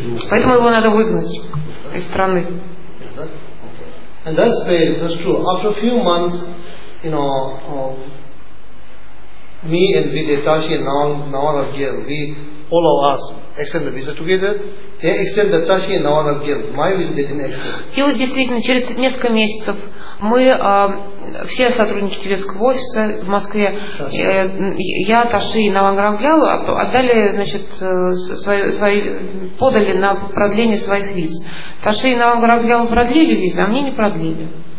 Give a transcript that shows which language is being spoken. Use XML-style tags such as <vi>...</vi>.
<ru>Поэтому его надо выгнать из страны.</ru> <en>And that's very, that's true. After a few months, you know, me and Vidyatashi and Nawanagil, we, all of us, extend the visa together. They extend the Tashi and Nawanagil. My visa didn't extend.</en> <ru>И вот действительно, через несколько месяцев мы, все сотрудники тибетского офиса в Москве, я, Таши и Навангрангьял отдали, значит, свои, подали на продление своих виз. Таши и Навангрангьял продлили визы, а мне не продлили.</ru>